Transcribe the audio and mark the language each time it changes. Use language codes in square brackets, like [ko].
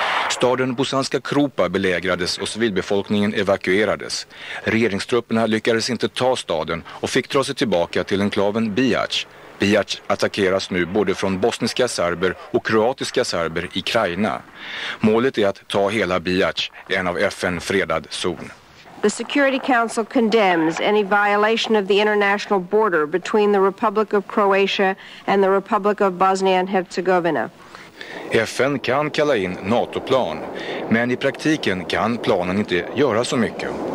[sv] Staden Bosanska Kropa belägrades och civilbefolkningen evakuerades. Regeringstrupperna lyckades inte ta staden och fick dra sig tillbaka till enklaven Bihać. Bihać attackeras nu både från bosniska serber och kroatiska serber i Krajina. Målet är att ta hela Bihać, en av FN fredad zon. [en] The Security Council condemns any violation of the international border between the Republic of Croatia and the Republic of Bosnia and Herzegovina. [sv] FN kan kalla in NATO-plan, men i praktiken kan planen inte göra så mycket.